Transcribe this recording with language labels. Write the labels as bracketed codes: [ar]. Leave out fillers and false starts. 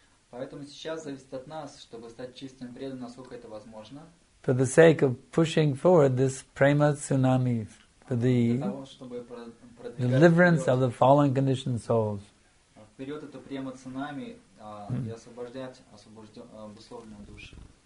[ru] Поэтому сейчас зависит от нас, чтобы стать чистым преданным, насколько это возможно. [en] For the sake of pushing forward this prema tsunami, for the deliverance of the fallen conditioned souls. [ru] Вперед эту према цунами и освобождать обусловленные души.